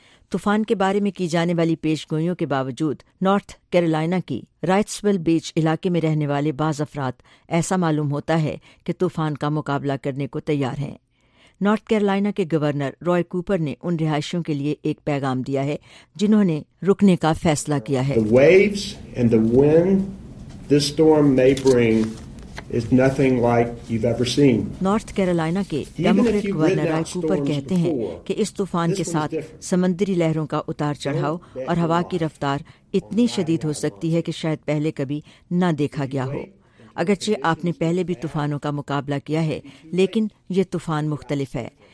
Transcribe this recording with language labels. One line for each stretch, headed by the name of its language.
Urdu: طوفان کے بارے میں کی جانے والی پیش گوئیوں کے باوجود نارتھ کیرولائنا کی رائٹسویل بیچ علاقے میں رہنے والے بعض افراد ایسا معلوم ہوتا ہے کہ طوفان کا مقابلہ کرنے کو تیار ہیں۔ نارتھ کیرولائنا کے گورنر روئے کوپر نے ان رہائشیوں کے لیے ایک پیغام دیا ہے جنہوں نے رکنے کا فیصلہ کیا ہے۔
English: The waves and the wind this storm may bring is nothing like you've ever seen.
Urdu: North Carolina کے ڈیموکریٹ گورنر روئے کوپر کہتے ہیں کہ اس طوفان کے ساتھ سمندری لہروں کا اتار چڑھاؤ اور ہوا کی رفتار اتنی شدید ہو سکتی ہے کہ شاید پہلے کبھی نہ دیکھا گیا ہو۔ اگرچہ آپ نے پہلے بھی طوفانوں کا مقابلہ کیا ہے، لیکن یہ طوفان مختلف ہے۔